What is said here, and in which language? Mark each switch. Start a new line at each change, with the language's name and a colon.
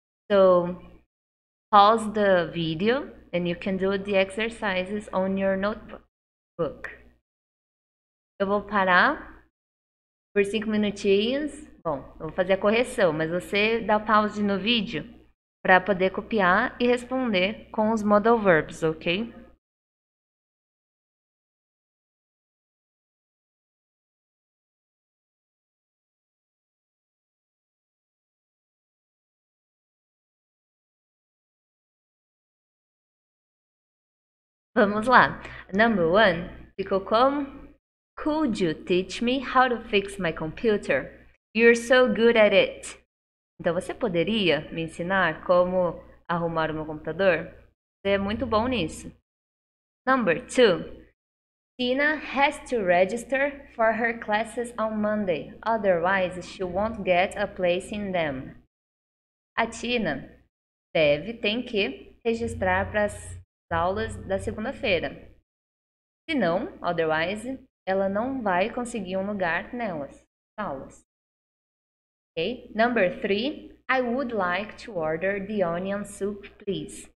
English: So pause the video and you can do the exercises on your notebook.
Portuguese: Eu vou parar por 5 minutinhos. Bom, eu vou fazer a correção, mas você dá pause no vídeo para poder copiar e responder com os modal verbs, ok? Vamos lá.
English: Number one,
Portuguese: ficou como?
English: Could you teach me how to fix my computer? You're so good at it.
Portuguese: Então, você poderia me ensinar como arrumar o meu computador? Você é muito bom nisso.
English: Number two, Tina has to register for her classes on Monday. Otherwise, she won't get a place in them.
Portuguese: A Tina deve, tem que registrar para as aulas da segunda-feira. Se não, otherwise, ela não vai conseguir um lugar nelas, aulas.
English: Okay. Number three, I would like to order the onion soup, please.